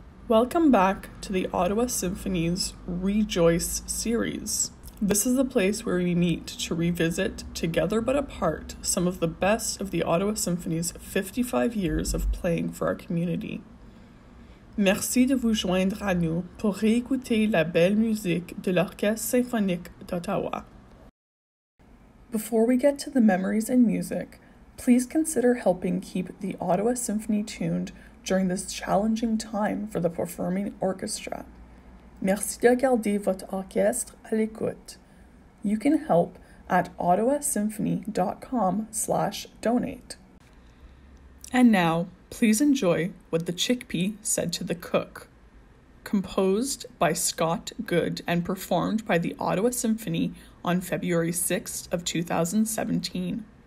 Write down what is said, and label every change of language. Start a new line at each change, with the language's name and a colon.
English: Welcome back to the Ottawa Symphony's RE-JOYce series. This is the place where we meet to revisit, together but apart, some of the best of the Ottawa Symphony's 55 years of playing for our community.
French: Merci de vous joindre à nous pour réécouter la belle musique de l'Orchestre Symphonique d'Ottawa.
English: Before we get to the memories and music, please consider helping keep the Ottawa Symphony tuned during this challenging time for the performing orchestra.
French: Merci de garder votre orchestre à l'écoute.
English: You can help at ottawasymphony.com/donate. And now, please enjoy what the chickpea said to the cook. Composed by Scott Good and performed by the Ottawa Symphony on February 6th of 2017.